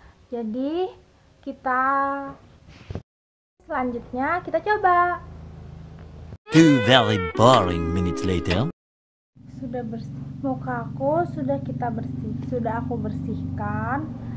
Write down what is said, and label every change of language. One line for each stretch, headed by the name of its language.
Indonesian: Jadi kita selanjutnya kita coba.
English: 2 very boring minutes later.
Indonesian: Sudah bersih muka aku, sudah aku bersihkan.